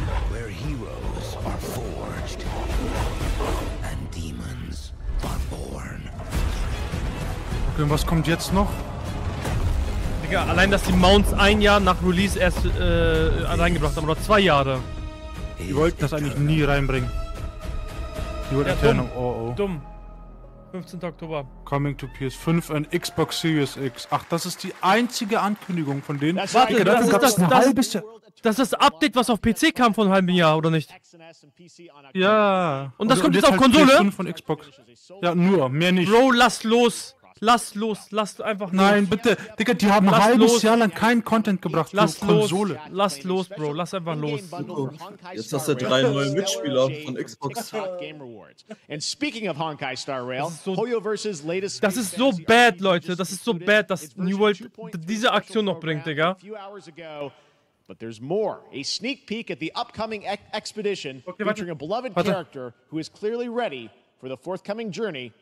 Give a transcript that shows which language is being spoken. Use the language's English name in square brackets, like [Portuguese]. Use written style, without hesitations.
[English] Where heroes are forged and demons are born. [German] Okay, und was kommt jetzt noch? Digga, allein, dass die Mounts ein Jahr nach Release erst reingebracht haben, oder zwei Jahre. Die wollten das eigentlich nie reinbringen. Die wollten ja, dumm. Oh, oh. Dumm. 15. Oktober. [English] Coming to PS5 und Xbox Series X. [German] Ach, das ist die einzige Ankündigung von denen. Warte, das ist das Update, was auf PC kam von einem halben Jahr, oder nicht? Ja. Und das kommt jetzt auf Konsole? PS5 von Xbox. Ja, nur, mehr nicht. Bro, lass los. Lass los, lass einfach los. Nein, bitte. Digga, die haben ein halbes Jahr lang keinen Content gebracht lass für Konsole. Lass los, Bro. Lass einfach los. Jetzt hast du drei neue Mitspieler von Xbox. [English] And speaking of [German] Honkai Star Rail, Puyo versus latest. Das ist so bad, Leute. Das ist so bad, dass New World diese Aktion noch bringt, Digga. [English] But there's more. A sneak peek at the upcoming expedition featuring a beloved character who is clearly ready for the forthcoming journey